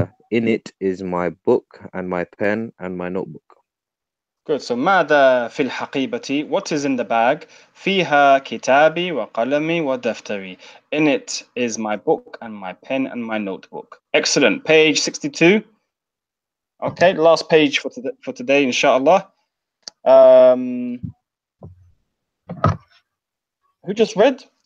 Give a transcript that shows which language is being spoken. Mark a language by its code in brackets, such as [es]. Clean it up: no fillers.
[en] In it is my book and my pen and my notebook. Good. [ar] So ماذا في الحقيبة? [en] What is in the bag? [ar] فيها كتابي وقلمي ودفتري. [en] In it is my book and my pen and my notebook. Excellent. Page 62. Okay, last page for today, inshallah. Who just read?